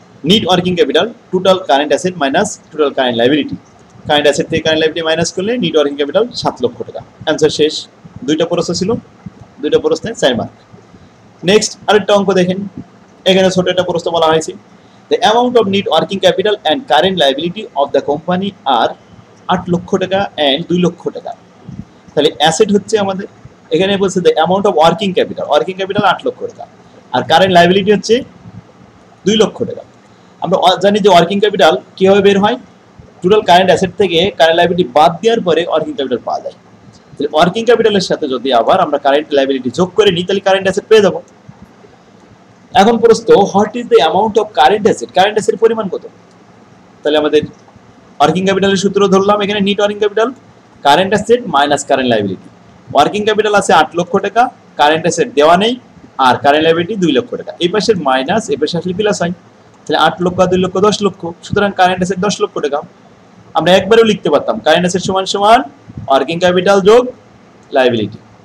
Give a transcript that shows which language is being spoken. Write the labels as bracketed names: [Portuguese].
[Bangla] Net working capital total current asset minus total current liability current asset থেকে current liability minus করলে net working capital 7 লক্ষ টাকা answer শেষ দুইটা প্রশ্ন ছিল দুইটা প্রশ্নে 4 মার্ক নেক্সট আরেকটা অঙ্ক দেখেন এখানে ছোট একটা প্রশ্ন বলা হয়েছে [English] The amount of net working capital and current liability of the company are 8 lakh taka and 2 lakh taka. [Bangla] তাহলে অ্যাসেট হচ্ছে আমাদের এখানে বলছে [English] the amount of working capital 8 lakh taka [Bangla] আর current liability হচ্ছে 2 lakh taka. আমরা জানি যে working capital কিভাবে বের হয় টোটাল current asset থেকে current liability বাদ দেওয়ার পরে working capital পাওয়া যায়। তাহলে working capital এর সাথে যদি আবার আমরা current liability যোগ করে নিই তাহলে current asset পেয়ে যাব। এখন প্রশ্ন [English] what is the amount of current asset [Bangla] পরিমাণ কত তাহলে আমাদের ওয়ার্কিং ক্যাপিটালের সূত্র ধরলাম এখানে net working capital current asset minus current liability working capital আছে 8 লক্ষ টাকা কারেন্ট অ্যাসেট দেওয়া নেই আর কারেন্ট লাইবিলিটি 2 লক্ষ টাকা এই পাশের মাইনাস এই পাশে আসলে প্লাস হয় তাহলে 8 লক্ষ 2 লক্ষ 10 লক্ষ সুতরাং কারেন্ট অ্যাসেট 10 লক্ষ টাকা আমরা একবারেও লিখতে পারতাম কারেন্ট অ্যাসেট সমান সমান ওয়ার্কিং ক্যাপিটাল যোগ লাইবিলিটি